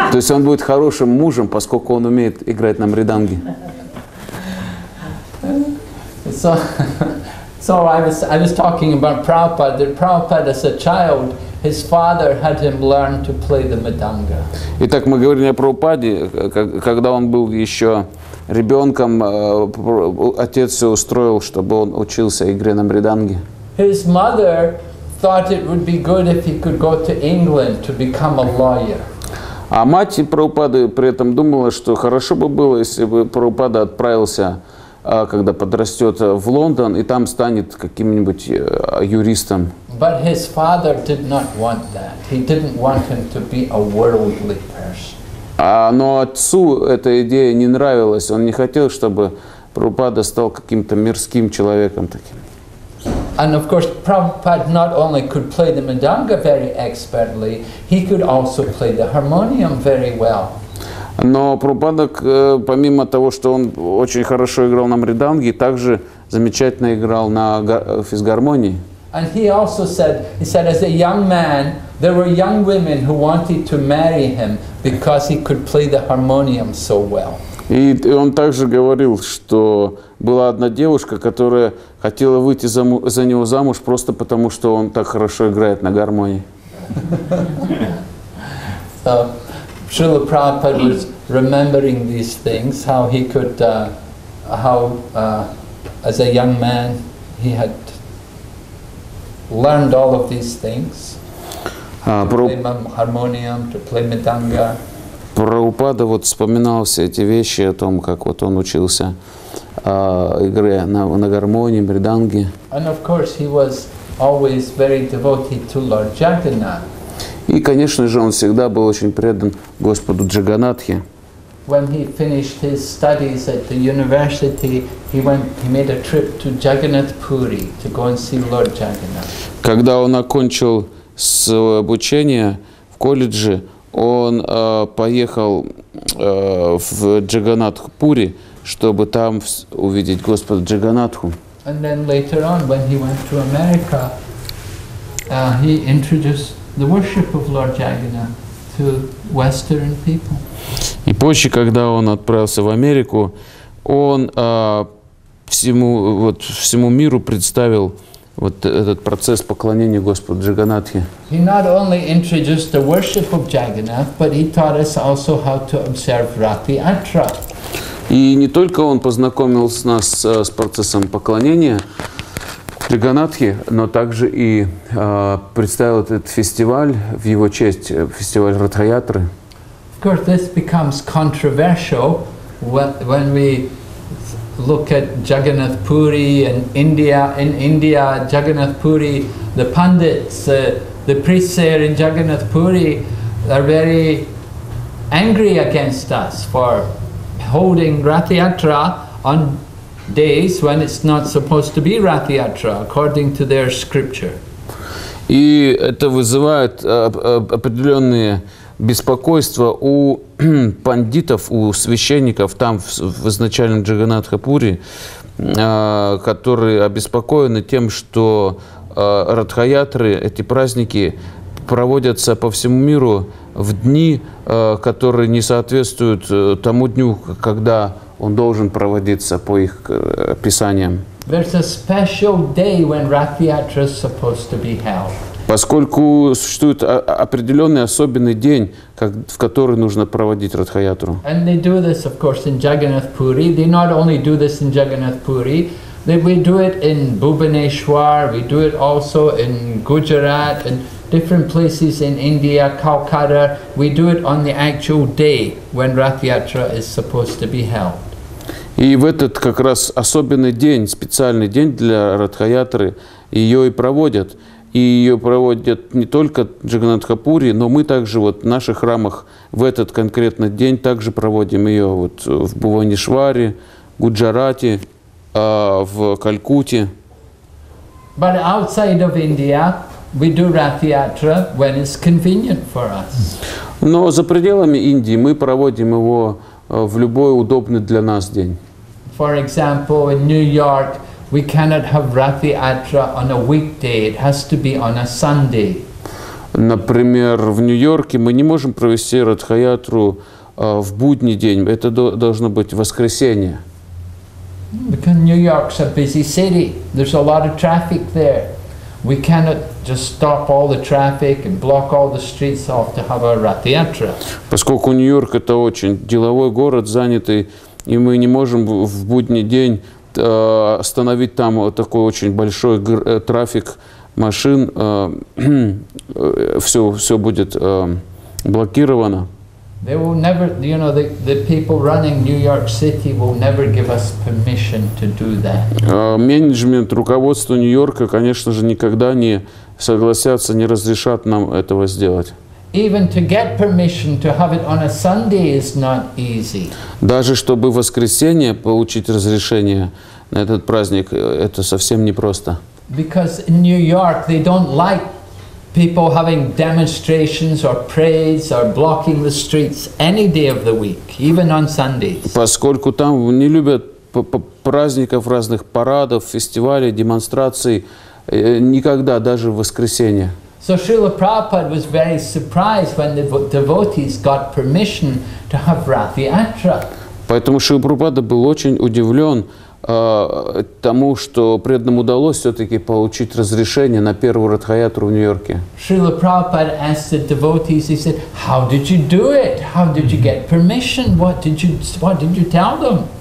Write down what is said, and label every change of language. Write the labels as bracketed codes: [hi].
[ru] То есть он будет хорошим мужем, поскольку он умеет играть на мриданге. [en] So I was talking about Prabhupada. That Prabhupada as a child, his father had him learn to play the madanga. [ru] Итак, мы говорим о Прабхупаде, когда он был еще ребенком, отец устроил, чтобы он учился игре на мриданге. [en] His mother thought it would be good if he could go to England to become a lawyer. [ru] А мать Прабхупады при этом думала, что хорошо бы было, если бы Прабхупада отправился, когда подрастет, в Лондон и там станет каким-нибудь юристом. [en] But his father did not want that. He didn't want him to be a worldly person. [ru] Но отцу эта идея не нравилась. Он не хотел, чтобы Прабхупада стал каким-то мирским человеком таким. [en] And of course, Prabhupada not only could play the mridanga very expertly, he could also play the harmonium very well. [ru] Но Прабхупада, помимо того, что он очень хорошо играл на мриданге, также замечательно играл на физгармонии. [en] And he also said, as a young man, there were young women who wanted to marry him because he could play the harmonium so well. [ru] И он также говорил, что была одна девушка, которая хотела выйти за него замуж просто потому, что он так хорошо играет на гармонии. [en] Srila Prabhupada was remembering these things, how he could, how as a young man he had learned all of these things, play harmonium, to play mridanga. [ru] Прабхупада вот вспоминал все эти вещи о том, как вот он учился игре на гармонии, мриданге. [en] And of course he was always very devoted to Lord Jagannath. [ru] И, конечно же, он всегда был очень предан Господу Джаганатхе. [en] When he finished his studies at the university, he made a trip to Jagannath Puri to go and see Lord Jagannath. [ru] Когда он окончил свое обучение в колледже, он поехал в Джаганатх Пури, чтобы там увидеть Господа Джаганатху. [en] And then later on, when he went to America, he introduced the worship of Lord Jagannath to Western people. [ru] И позже, когда он отправился в Америку, он всему миру представил вот этот процесс поклонения Господу Джаганатхе. [en] He not only introduced the worship of Jagannath, but he taught us also how to observe Rati Atra. [ru] И не только он познакомил нас с процессом поклонения Джаганатхе, но также и представил этот фестиваль в его честь, фестиваль Ратхаятры. [en] Of course, this becomes controversial when we look at Jagannath Puri and India. In India, Jagannath Puri, the pundits, the priests there in Jagannath Puri are very angry against us for holding Rath Yatra on days when it's not supposed to be Rath Yatra according to their scripture. [ru] И это вызывает определенные беспокойства у пандитов, у священников там в изначальном Джаганатхапуре, которые обеспокоены тем, что Ратхаятры, эти праздники, проводятся по всему миру в дни, которые не соответствуют тому дню, когда он должен проводиться по их писаниям. [en] There's a special day when Ratha-yatra is supposed to be held. [ru] Поскольку существует определенный особенный день, в который нужно проводить Ратха-yatru. [en] And they do this, of course, in Jagannath Puri. They not only do this in Jagannath Puri, we do it in Bhubaneswar, we do it also in Gujarat, and different places in India, Calcutta, we do it on the actual day when Ratha-yatra is supposed to be held. [ru] И в этот как раз особенный день, специальный день для Ратха-yatры, ее и проводят. И ее проводят не только в Джаганатхапуре, но мы также вот в наших храмах в этот конкретный день также проводим ее вот в Бхубанешваре, Гуджарате, в Калькутте. [en] But outside of India, we do Ratha-yatra when it's convenient for us. [ru] Но за пределами Индии мы проводим его в любой удобный для нас день. [en] For example, in New York, we cannot have Ratha-yatra on a weekday. It has to be on a Sunday. [ru] Например, в Нью-Йорке мы не можем провести Ратха-yatru в будний день. Это должно быть воскресенье. [en] Because New York's a busy city. There's a lot of traffic there. We cannot just stop all the traffic and block all the streets off to have a Ratha-yatra. [ru] Поскольку Нью-Йорк это очень деловой город, занятый, и мы не можем в будний день остановить там такой очень большой трафик машин, все будет блокировано. [en] They will never, you know, the people running New York City will never give us permission to do that. [ru] Менеджмент, руководство Нью-Йорка, конечно же, никогда не согласятся, не разрешат нам этого сделать. [en] Even to get permission to have it on a Sunday is not easy. [ru] Даже чтобы в воскресенье получить разрешение на этот праздник, это совсем непросто. [en] Because in New York they don't like people having demonstrations or parades or blocking the streets any day of the week, even on Sundays. [ru] Поскольку там не любят праздников разных, парадов, фестивалей, демонстраций, никогда, даже в воскресенье. [en] So Srila Prabhupada was very surprised when the devotees got permission to have Ratha-yatra. [ru] Поэтому Шрила Прабхупада был очень удивлен, тому, что преданным удалось все-таки получить разрешение на первую Радха-ятру в Нью-Йорке. [en] Шрила Прабхупада asked the devotees, he said, how did you do it? How did you get permission? What did you tell them?